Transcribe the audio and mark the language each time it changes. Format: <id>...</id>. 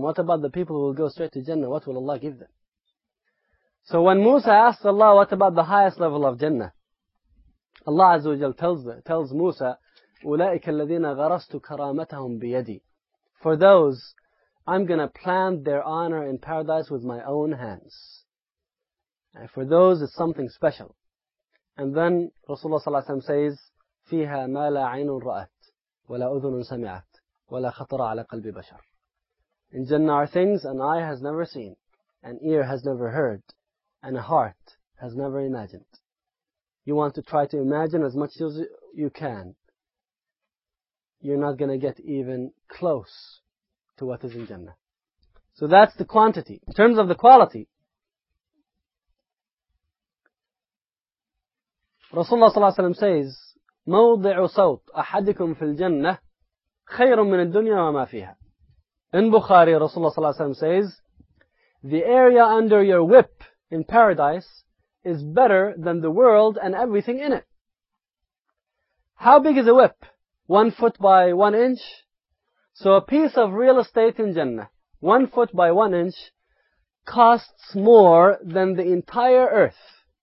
<en>What about the people who will go straight to Jannah? What will Allah give them? So when Musa asks Allah, "What about the highest level of Jannah?" Allah Azza wa Jal tells Musa,</en> <ar>"أُولَٰئِكَ الَّذِينَ غَرَسْتُ كَرَامَتَهُمْ بِيَدِي."</ar> <en>For those, I'm going to plant their honor in paradise with my own hands. And for those, it's something special. And then Rasulullah ﷺ says,</en> <ar>"فِيهَا مَا لَا عَيْنٌ رَأَتْ وَلَا أُذُنٌ سَمِعَتْ وَلَا خَطَرَ عَلَى قَلْبِ بَشَرٍ."</ar> <en>In Jannah are things an eye has never seen, an ear has never heard, and a heart has never imagined. You want to try to imagine as much as you can. You're not going to get even close to what is in Jannah. So that's the quantity. In terms of the quality, Rasulullah</en> <ar>صلى الله عليه وسلم says, موضع صوت أحدكم في الجنة خير من الدنيا وما فيها.</ar> <en>In Bukhari, Rasulullah صلى الله عليه وسلم says, the area under your whip in paradise is better than the world and everything in it. How big is a whip? 1 foot by 1 inch? So a piece of real estate in Jannah, 1 foot by 1 inch, costs more than the entire earth.</en>